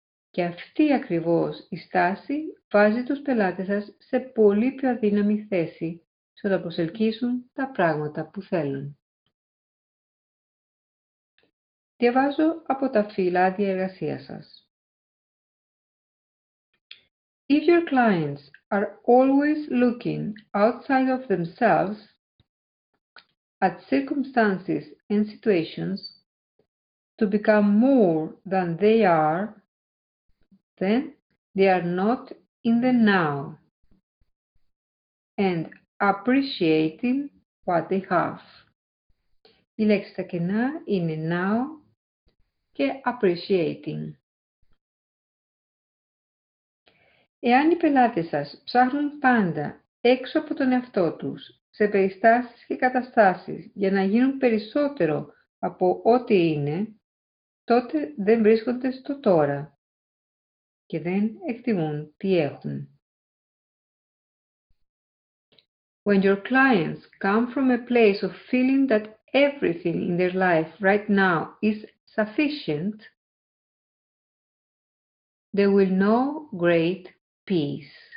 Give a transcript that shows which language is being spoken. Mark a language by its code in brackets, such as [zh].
[el] Και αυτή ακριβώς η στάση βάζει τους πελάτες σας σε πολύ πιο αδύναμη θέση στο να προσελκύσουν τα πράγματα που θέλουν. Διαβάζω από τα φύλλα διεργασίας σας. [en] If your clients are always looking outside of themselves at circumstances and situations to become more than they are, then they are not in the now and appreciating what they have. [el] Η λέξη τα κενά είναι now και appreciating. Εάν οι πελάτες σας ψάχνουν πάντα έξω από τον εαυτό τους, σε περιστάσεις και καταστάσεις για να γίνουν περισσότερο από ό,τι είναι, τότε δεν βρίσκονται στο τώρα και δεν εκτιμούν τι έχουν. [en] When your clients come from a place of feeling that everything in their life right now is sufficient, they will know great peace.